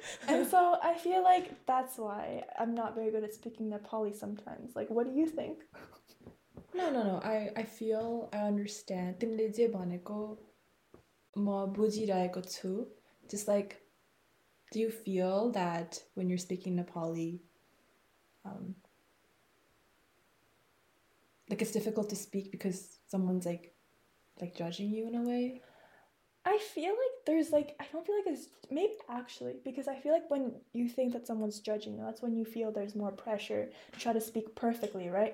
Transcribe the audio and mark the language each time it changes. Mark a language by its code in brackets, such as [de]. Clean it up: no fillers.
[en] And so I feel like that's why I'm not very good at speaking Nepali sometimes. Like, what do you think? No. I feel I understand. [ne] तिमीले जे भनेको म बुझिरहेको छु. [en] Just like... Do you feel that when you're speaking Nepali, like it's difficult to speak because someone's like judging you in a way? I feel like there's like, I don't feel like it's, maybe actually, because I feel like when you think that someone's judging you, that's when you feel there's more pressure to try to speak perfectly, right?